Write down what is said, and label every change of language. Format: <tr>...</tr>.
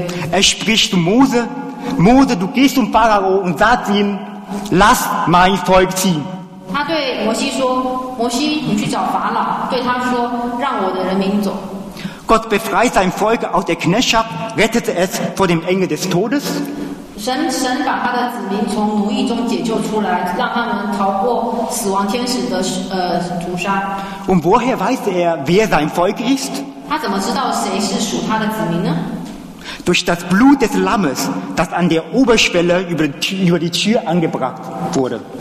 <de>Er spricht zu Mose, Mose, du gehst zum Pharao und sagst ihm, lass mein Volk ziehen.</de> <zh>他对摩西说，摩西，你去找法老，对他说，让我的人民走。</zh> <de>Gott befreit sein Volk aus der Knechtschaft, rettet es vor dem Engel des Todes.</de> <zh>神把他的子民从奴役中解救出来，让他们逃过死亡天使的屠杀。</zh> <de>Und woher weiß er, wer sein Volk ist?</de> <zh>他怎么知道谁是属他的子民呢？</zh> <de>Durch das Blut des Lammes, das an der Oberschwelle über die Tür angebracht wurde.</de>